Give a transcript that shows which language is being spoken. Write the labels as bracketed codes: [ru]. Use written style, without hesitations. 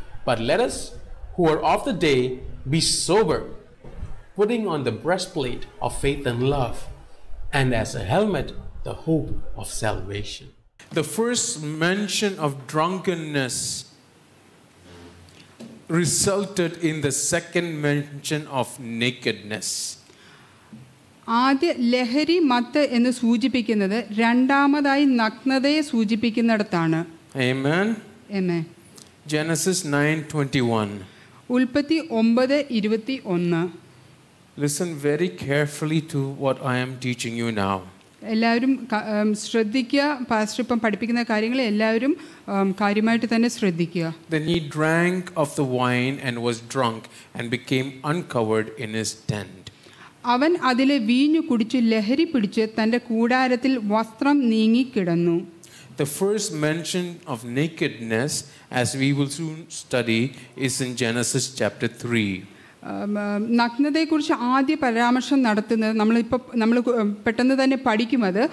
[en] But let us, who are of the day, be sober, putting on the breastplate of faith and love, and as a helmet, the hope of salvation. The first mention of drunkenness resulted in the second mention of nakedness. [ml] ആദ്യ ലഹരി മത്ത് എന്ന് സൂചിപ്പിക്കുന്നത് രണ്ടാമതായി നഗ്നതയെ സൂചിപ്പിക്കുന്നിടത്താണ്. [en] Amen. Amen. Genesis 9:21. [ml] ഉൽപ്പത്തി 9:21. [en] Listen very carefully to what I am teaching you now. [ml] എല്ലാവരും ശ്രദ്ധിക്കുക. Pastor ഇപ്പം പഠിപ്പിക്കുന്ന കാര്യങ്ങൾ എല്ലാവരും കാര്യമായിട്ട് തന്നെ ശ്രദ്ധിക്കുക. [en] Then he drank of the wine and was drunk and became uncovered in his tent. [ml] അവൻ അതിലെ വീഞ്ഞു കുടിച്ച് ലഹരി പിടിച്ച് തന്റെ കൂടാരത്തിൽ വസ്ത്രം നീങ്ങിക്കിടന്നു. [en] The first mention of nakedness, as we will soon study, is in Genesis chapter 3. [ml] നഗ്നതയെക്കുറിച്ച് ആദ്യ പരാമർശം നടത്തുന്നത് നമ്മൾ പെട്ടെന്ന് തന്നെ പഠിക്കും.